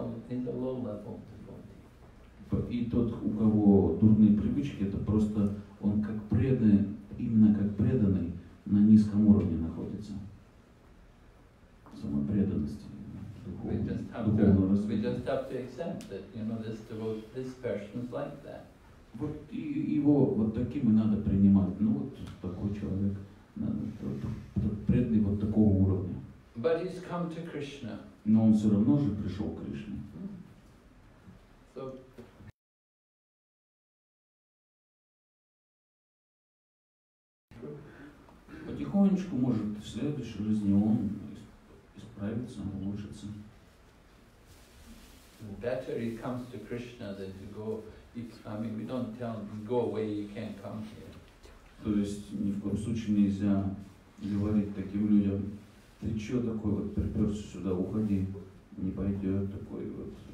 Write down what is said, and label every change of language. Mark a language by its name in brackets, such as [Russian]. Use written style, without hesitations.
[English] in the low level devotee. [Russian] И тот, у кого дурные привычки, это просто он как преданный, именно как преданный на низком уровне находится. Самопреданности. [English] We just have to accept that, you know, this person is like that. [Russian] Вот его вот таким и надо принимать. Ну вот такой человек, преданный вот такого уровня. [English] But he's come to Krishna. [Russian] Но он все равно же пришел к Кришне. Потихонечку, может, в следующей жизни он исправится, улучшится. [English] Better he comes to Krishna than to go. We don't tell him go away, you can't come here. [Russian] То есть ни в коем случае нельзя говорить таким людям. Ты чё такой вот приперся сюда, уходи, не пойдёт такой вот.